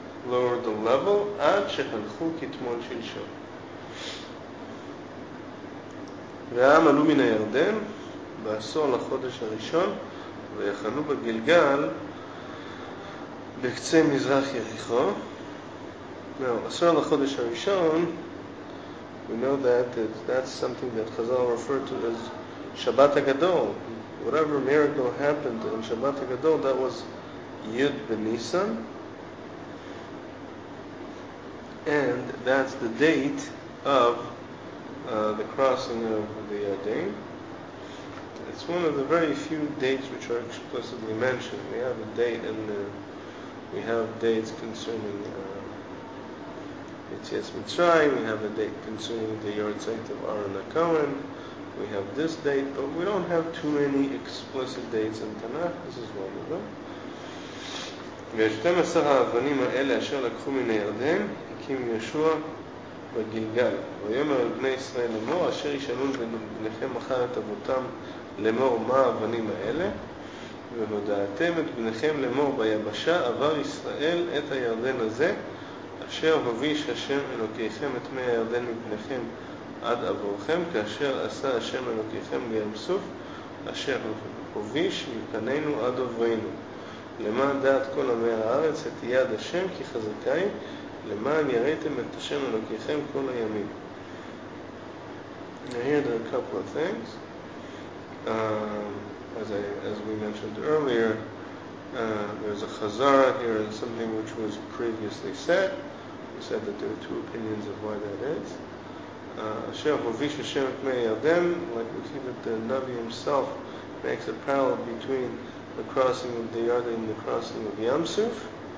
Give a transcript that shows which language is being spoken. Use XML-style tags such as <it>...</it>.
<en>lower the level</en> <he>עד שחנכו כתמון שלשום. והעם עלו מן הירדן בעשור לחודש הראשון ויחנו בגלגל בקצה מזרח יריחו. עשור לחודש הראשון,</he> <en>we know that that's something that Chazal referred to as Shabbat HaGadol. Whatever miracle happened on Shabbat HaGadol, that was Yud B'Nisan. And that's the date of the crossing of the Yarden. It's one of the very few dates which are explicitly mentioned. We have a date and we have dates concerning Yetzias Mitzrayim, we have a date concerning the Yartzeit of Aaron HaKohen, we have this date, but we don't have too many explicit dates in Tanakh. This is one of them.</en> <he>ו-12 האבנים האלה אשר לקחו מן הירדן הקים ישוע בגלגל. ויאמר לבני ישראל לאמור, אשר ישאלו בניכם מחר את אבותם לאמור מה האבנים האלה, והודעתם את בניכם לאמור ביבשה עבר ישראל את הירדן הזה, אשר הוביש השם אלוקיכם את מי הירדן מבניכם עד עבורכם, כאשר עשה השם אלוקיכם בים סוף, אשר הוביש מפנינו עד עוברנו. למען דעת כל עמי הארץ את יד השם כי חזקה היא, למען יראיתם את השם אלוקיכם כל הימים.</he> <en>I heard a couple of things. As we mentioned earlier, there's a chazara here and something which was previously said. We said that there are two opinions of why that is.</en> <he>Asher hovish Hashem et mei Yarden,</he> <en>like we see that the Navi himself makes a parallel between the crossing of the Yarden and the crossing of Yam Suf.</en>